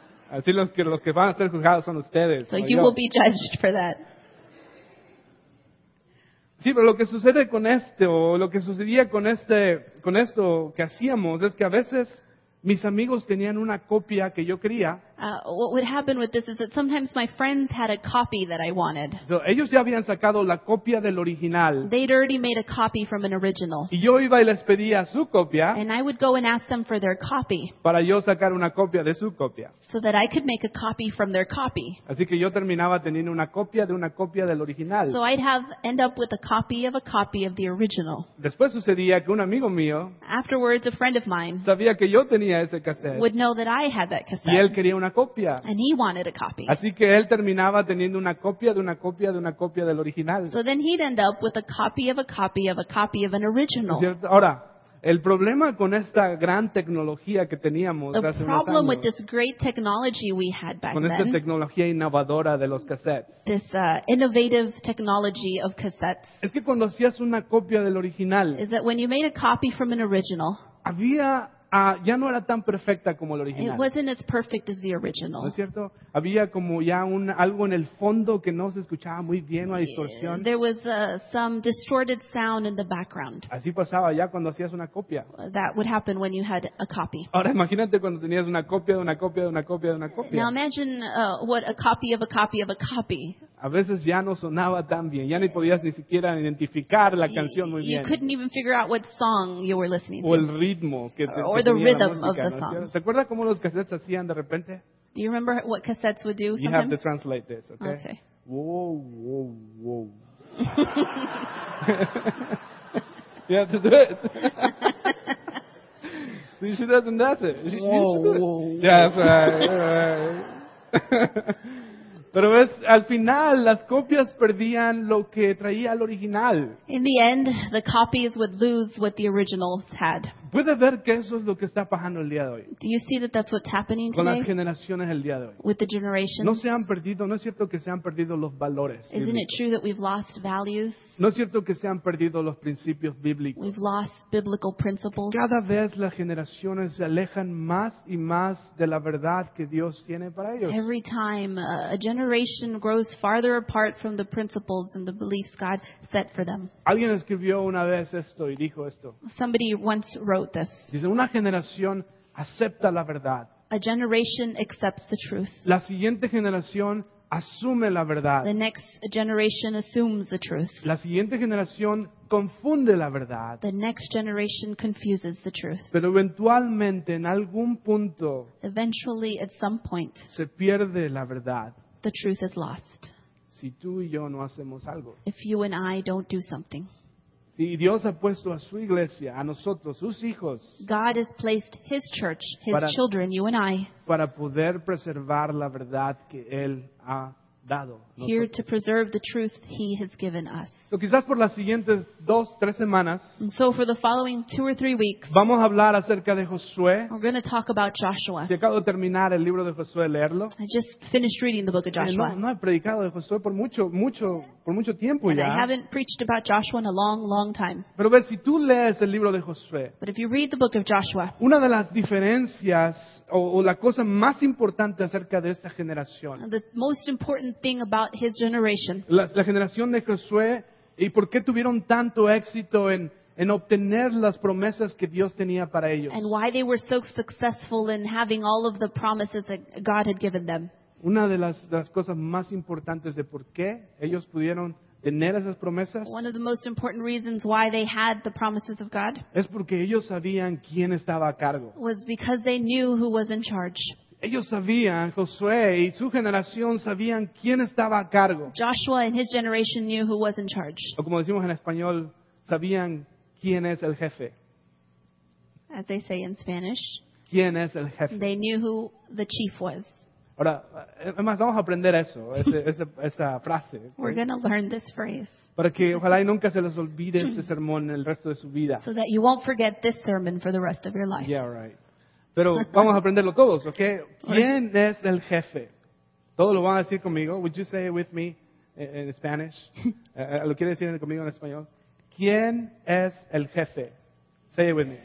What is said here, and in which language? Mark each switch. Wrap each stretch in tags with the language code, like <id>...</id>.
<es>Así los que van a ser juzgados son ustedes.</es> <en>So no you</en> <es>yo.</es> <en>Will be judged for that.</en> <es>Sí, pero lo que sucede con este o lo que sucedía con este con esto que hacíamos es que a veces mis amigos tenían una copia que yo quería.</es> <en>What would happen with this is that sometimes my friends had a copy that I wanted.</en> <es>So, ellos ya habían sacado la copia del original.</es> <en>They'd already made a copy from an original.</en> <es>Y yo iba y les pedía su copia.</es> <en>And I would go and ask them for their copy.</en> <es>Para yo sacar una copia de su copia.</es> <en>So that I could make a copy from their copy.</en> <es>Así que yo terminaba teniendo una copia de una copia del original.</es> <en>So I'd end up with a copy of the original.</en> <es>Después sucedía que un amigo mío.</es> <en>Afterwards, a friend of mine.</en> <es>Sabía que yo tenía ese cassette.</es> <en>Would know that I had that cassette.</en> <es>Y él quería una copia.</es> <en>And he wanted a copy.</en> <es>Así que él terminaba teniendo una copia de una copia de una copia del original.</es> <en>So then he'd end up with a copy of a copy of a copy of an original.</en> <es>Ahora, el problema con esta gran tecnología que teníamos</es> <en>the</en> <es>hace unos años.</es> <en>The problem with this great technology we had back</en> <es>con</es> <en>then.</en> <es>Con esta tecnología innovadora de los cassettes.</es> <en>This innovative technology of cassettes.</en> <es>Es que cuando hacías una copia del original.</es> <en>Is that when you made a copy from an original.</en> <es>Había ya no era tan perfecta como el original.</es> <en>It wasn't as perfect as the original.</en> <es>¿No es cierto? Había como ya algo en el fondo que no se escuchaba muy bien, una distorsión.</es> <en>There was some distorted sound in the background.</en> <es>Así pasaba ya cuando hacías una copia.</es> <en>That would happen when you had a copy.</en> <es>Ahora imagínate cuando tenías una copia de una copia de una copia de una copia.</es> <en>Now imagine what a copy of a copy of a copy.</en> <es>A veces ya no sonaba tan bien. Ya ni podías ni siquiera identificar la canción muy bien.</es> <en>You couldn't even figure out what song you were listening to.</en> <es>O el ritmo que tenía la música.</es> <en>Or the rhythm of the song.</en> <es>¿Te acuerdas cómo los cassettes hacían de repente?</es> <en>Do you remember what cassettes would do sometimes? You have to translate this, okay? Okay. Whoa, whoa, whoa. You have to do it. See, she doesn't do it. Whoa, whoa. That's right.</en> <es>Pero ves, al final las copias perdían lo que traía el original.</es> <en>In the end, the copies would lose what the originals had.</en> <es>¿Puedes ver que eso es lo que está pasando el día de hoy?</es> <en>Do you see that that's what's happening today?</en> <es>Con las generaciones el día de hoy.</es> <en>With the generations.</en> <es>No se han perdido, no es cierto que se han perdido los valores.</es> <en>Isn't</en> <es>bíblicos.</es> <en>It true that we've lost values?</en> <es>No es cierto que se han perdido los principios bíblicos.</es> <en>We've lost biblical principles.</en> <es>Cada vez las generaciones se alejan más y más de la verdad que Dios tiene para ellos.</es> <en>Every time a generation grows farther apart from the principles and the beliefs God set for them.</en> <es>Alguien escribió una vez esto y dijo esto.</es> <en>Somebody once wrote this.</en> <es>Dice, una generación acepta la verdad.</es> <en>A generation accepts the truth.</en> <es>La siguiente generación asume la verdad.</es> <en>The next generation assumes the truth.</en> <es>La siguiente generación confunde la verdad.</es> <en>The next generation confuses the truth.</en> <es>Pero eventualmente, en algún punto,</es> <en>eventually, at some point,</en> <es>se pierde la verdad.</es> <en>The truth is lost.</en> <es>Si tú y yo no hacemos algo.</es> <en>If you and I don't do something.</en> <es>Si Dios ha puesto a su iglesia, a nosotros, sus hijos.</es> <en>God has placed his church, his</en> <es>para,</es> <en>children, you and I.</en> <es>Para poder preservar la verdad que él ha dado. Nosotros.</es> <en>Here to preserve the truth he has given us.</en> <es>So quizás por las siguientes dos, tres semanas.</es> <en>And so for the following two or three weeks.</en> <es>Vamos a hablar acerca de Josué.</es> <en>We're going to talk about Joshua.</en> <es>Si acabo de terminar el libro de Josué, leerlo.</es> <en>I just finished reading the book of Joshua.</en> <es>No he predicado de Josué por mucho tiempo ya.</es> <en>And I haven't preached about Joshua in a long, long time.</en> <es>Pero ves, si tú lees el libro de Josué.</es> <en>But if you read the book of Joshua.</en> <es>Una de las diferencias o la cosa más importante acerca de esta generación.</es> <en>The most important thing about his generation.</en> <es>La generación de Josué. ¿Y por qué tuvieron tanto éxito en obtener las promesas que Dios tenía para ellos?</es> <en>And why they were so successful in having all of the promises that God had given them.</en> <es>Una de las cosas más importantes de por qué ellos pudieron tener esas promesas.</es> <en>One of the most important reasons why they had the promises of God.</en> <es>Es porque ellos sabían quién estaba a cargo.</es> <en>Was because they knew who was in charge.</en> <es>Ellos sabían, Josué y su generación sabían quién estaba a cargo.</es> <en>Joshua and his generation knew who was in charge.</en> <es>O como decimos en español, sabían quién es el jefe.</es> <en>As they say in Spanish.</en> <es>¿Quién es el jefe?</es> <en>They knew who the chief was.</en> <es>Ahora, además vamos a aprender eso, esa frase.</es> <en>We're going to learn this phrase.</en> <es>Para que ojalá y nunca se les olvide ese sermón el resto de su vida.</es> <en>So that you won't forget this sermon for the rest of your life. Yeah, right.</en> <es>Pero vamos a aprenderlo todos, ¿ok? ¿Quién es el jefe? Todos lo van a decir conmigo.</es> <en>Would you say it with me in Spanish?</en> <es>¿Lo quiere decir conmigo en español? ¿Quién es el jefe?</es> <en>Say it with me.</en>